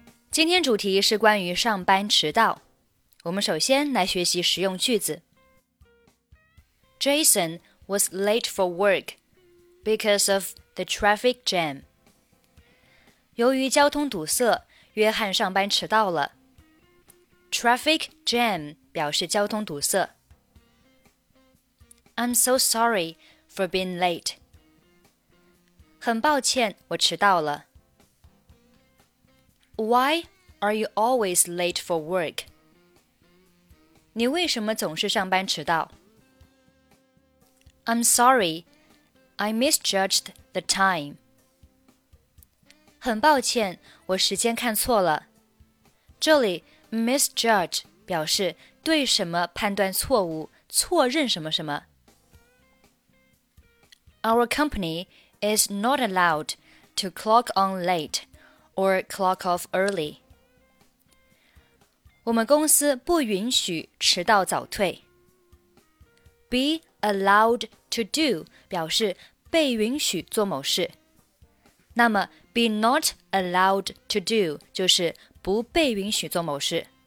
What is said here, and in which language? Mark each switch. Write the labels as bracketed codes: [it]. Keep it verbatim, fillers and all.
[zh] 今天主题是关于上班迟到。我们首先来学习实用句子。 [en] Jason was late for work because of the traffic jam. [zh] 由于交通堵塞，约翰上班迟到了。 Traffic jam表示交通堵塞。 [en] I'm so sorry for being late. [zh] 很抱歉，我迟到了。 [en] Why are you always late for work? [zh] 你为什么总是上班迟到？ [en] I'm sorry, I misjudged the time. [zh] 很抱歉，我时间看错了。这里 misjudge 表示对什么判断错误，错认什么什么。 [en] Our company is not allowed to clock on late or clock off early. [zh] 我们公司不允许迟到早退。 [en] Be allowed to do [zh] 表示被允许做某事。那么 [en] be not allowed to do [zh] 就是不被允许做某事。